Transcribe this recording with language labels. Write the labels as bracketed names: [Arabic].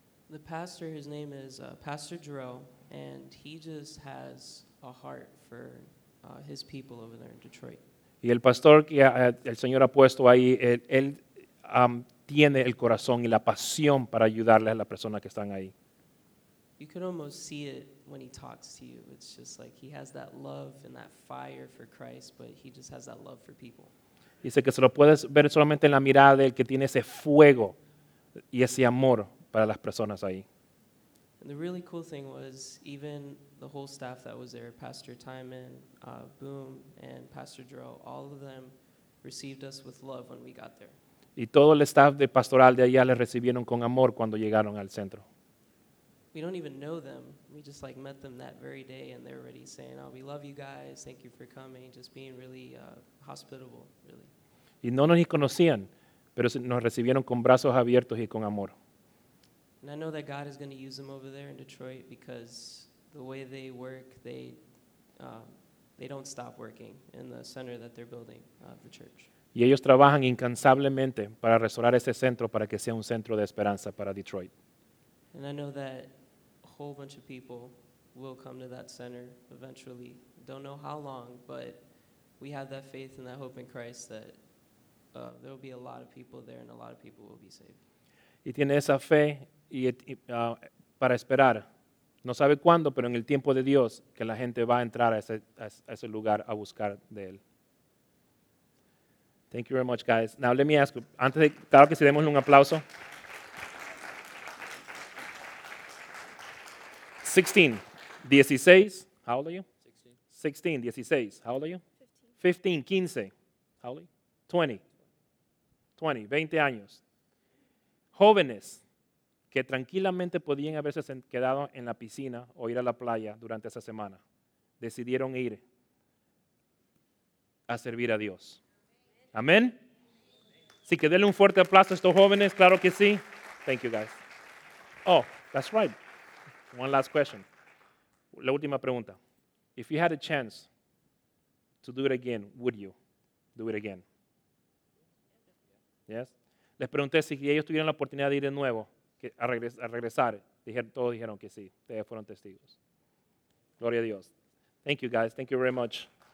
[English] The pastor, his name is Pastor Jarrell, and he just has a heart for his people over there in Detroit. [Spanish] Y el pastor que el Señor ha puesto ahí, él tiene el corazón y la pasión para ayudarle a las personas que están ahí. [English] You can almost see it when he talks to you. It's just like he has that love and that fire for Christ, but he just has that love for people. [Spanish] Dice que se lo puedes ver solamente en la mirada de él, que tiene ese fuego y ese amor para las personas ahí. [English] And the really cool thing was even the whole staff that was there, Pastor Timon, Boom, and Pastor Drew, all of them received us with love when we got there. [Spanish] Y todo el staff de pastoral de allá le recibieron con amor cuando llegaron al centro. [English] We don't even know them. We just like met them that very day and they're already saying, oh, we love you guys. Thank you for coming. Just being really hospitable, really. [Spanish] Y no nos conocían, pero nos recibieron con brazos abiertos y con amor. [English] And I know that God is going to use them over there in Detroit because the way they work, they they don't stop working in the center that they're building of the church. [Spanish] Y ellos trabajan incansablemente para restaurar ese centro para que sea un centro de esperanza para Detroit. [English] And I know that a whole bunch of people will come to that center eventually. Don't know how long, but we have that faith and that hope in Christ that there will be a lot of people there and a lot of people will be saved. [Spanish] Y tiene esa fe y para esperar. No sabe cuándo, pero en el tiempo de Dios que la gente va a entrar a ese lugar a buscar de él. [English] Thank you very much, guys. Now, let me ask, [Spanish] antes de, claro que si demos un aplauso. [English] 16, 16, how old are you? 16. 16, 16, how old are you? 15. 15, 15, how old are you? 20. 20, [Spanish] 20 años. Jóvenes que tranquilamente podían haberse quedado en la piscina o ir a la playa durante esa semana, decidieron ir a servir a Dios. Amén. Sí, que denle un fuerte aplauso a estos jóvenes, claro que sí. [English] Thank you, guys. Oh, that's right. One last question. [Spanish] La última pregunta. [English] If you had a chance to do it again, would you do it again? Yes. [Spanish] Les pregunté si ellos tuvieran la oportunidad de ir de nuevo, a regresar. Todos dijeron que sí. Ustedes fueron testigos. Gloria a Dios. [English] Thank you, guys. Thank you very much.